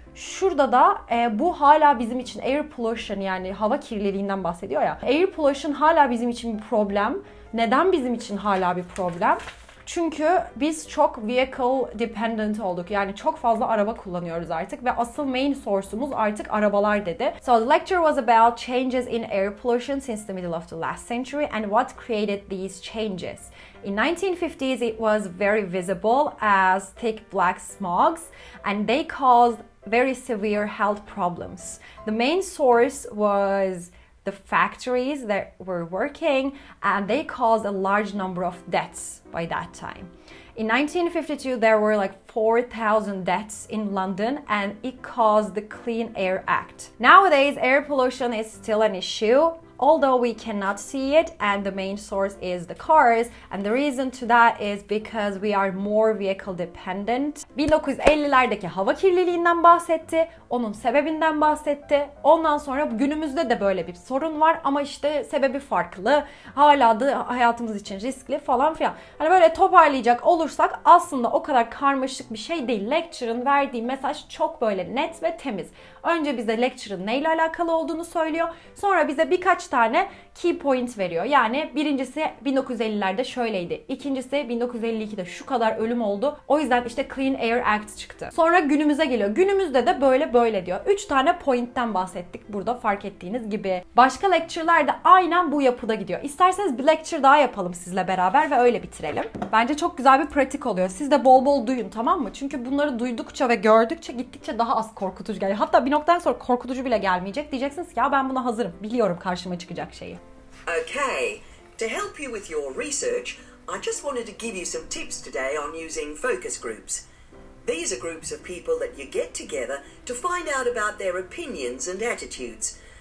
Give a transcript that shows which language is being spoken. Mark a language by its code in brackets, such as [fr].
[tr] Şurada da bu hala bizim için air pollution, yani hava kirliliğinden bahsediyor ya. Air pollution hala bizim için bir problem. Neden bizim için hala bir problem? Çünkü biz çok vehicle dependent olduk. Yani çok fazla araba kullanıyoruz artık ve asıl main source'umuz artık arabalar dedi. [en] So the lecture was about changes in air pollution since the middle of the last century and what created these changes. In 1950s it was very visible as thick black smogs and they caused very severe health problems. The main source was the factories that were working and they caused a large number of deaths by that time. In 1952, there were like 4,000 deaths in London and it caused the Clean Air Act. Nowadays, air pollution is still an issue, although we cannot see it and the main source is the cars. And the reason to that is because we are more vehicle dependent. [tr] 1950'lerdeki hava kirliliğinden bahsetti, onun sebebinden bahsetti. Ondan sonra günümüzde de böyle bir sorun var ama işte sebebi farklı. Hala da hayatımız için riskli falan filan. Hani böyle toparlayacak olursak aslında o kadar karmaşık bir şey değil. Lecture'ın verdiği mesaj çok böyle net ve temiz. Önce bize lecture'ın neyle alakalı olduğunu söylüyor. Sonra bize birkaç tane key point veriyor. Yani birincisi 1950'lerde şöyleydi. İkincisi 1952'de şu kadar ölüm oldu. O yüzden işte Clean Air Act çıktı. Sonra günümüze geliyor. Günümüzde de böyle böyle diyor. 3 tane point'ten bahsettik burada fark ettiğiniz gibi. Başka lecture'lar da aynen bu yapıda gidiyor. İsterseniz bir lecture daha yapalım sizinle beraber ve öyle bitirelim. Bence çok güzel bir pratik oluyor. Siz de bol bol duyun, tamam mı? Çünkü bunları duydukça ve gördükçe gittikçe daha az korkutucu geliyor. Hatta bir noktadan sonra korkutucu bile gelmeyecek. Diyeceksiniz ki ya ben buna hazırım. Biliyorum karşıma çıkacak şeyi. [en] Okay, to help you with your research, I just wanted to give you some tips today on using focus groups. These are groups of people that you get together to find out about their opinions and attitudes.